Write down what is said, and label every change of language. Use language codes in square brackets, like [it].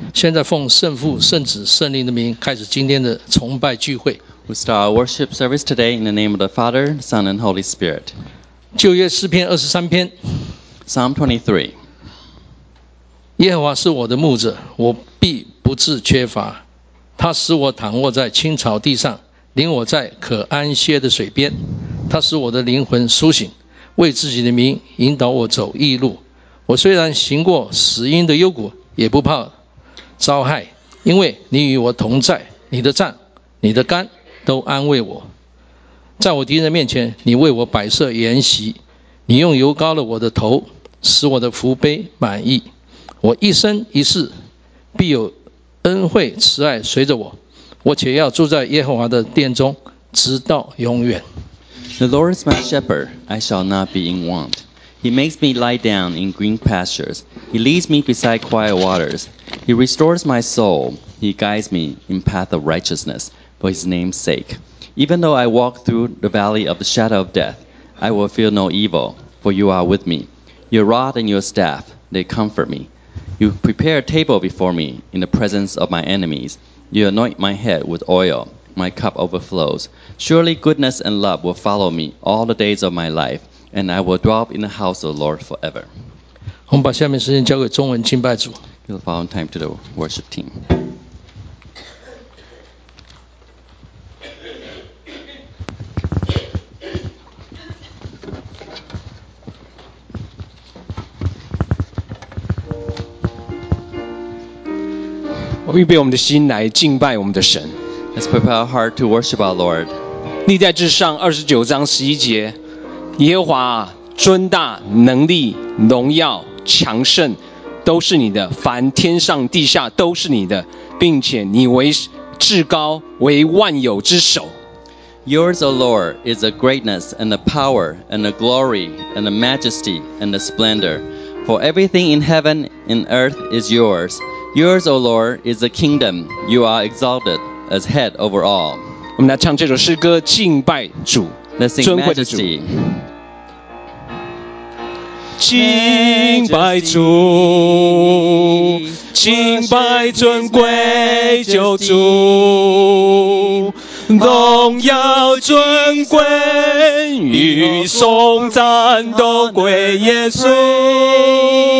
[zh] 现在奉圣父、圣子、圣灵的名，开始今天的崇拜聚会。 [en] We start our worship service today in the name of the Father, Son, and Holy Spirit. [zh] 旧约诗篇二十三篇。 [en] Psalm 23. [zh] 耶和华是我的牧者，我必不致缺乏。他使我躺卧在青草地上，领我在可安歇的水边。他使我的灵魂苏醒，为自己的名引导我走义路。我虽然行过死荫的幽谷，也不怕遭害，因为你与我同在，你的杖、你的竿都安慰我。在我敌人面前，你为我摆设筵席，你用油膏了我的头，使我的福杯满溢。我一生一世必有恩惠慈爱随着我，我且要住在耶和华的殿中，直到永远。 [en] The Lord is my shepherd, I shall not be in want. He makes me lie down in green pastures. He leads me beside quiet waters. He restores my soul. He guides me in path of righteousness for his name's sake. Even though I walk through the valley of the shadow of death, I will feel no evil, for you are with me. Your rod and your staff, they comfort me. You prepare a table before me in the presence of my enemies. You anoint my head with oil. My cup overflows. Surely goodness and love will follow me all the days of my life. And I will dwell in the house of the Lord forever. [zh] 我们把下面时间交给中文敬拜组。 [en] Give the following time to the worship team. [zh] 我们预备我们的心来敬拜我们的神。 [en] Let's prepare our heart to worship our Lord. [zh] 历代志上二十九章十一节。耶和华尊大，能力荣耀强盛都是你的，凡天上地下都是你的，并且你为至高，为万有之首。 [en] Yours, O Lord, is the greatness and the power and the glory and the majesty and the splendor. For everything in heaven and earth is yours. Yours, O Lord, is the kingdom. You are exalted as head over all. [zh] 我们来唱这首诗歌，敬拜主，尊贵的主。敬拜主，敬拜尊贵救主，荣耀尊贵与颂赞都归耶稣。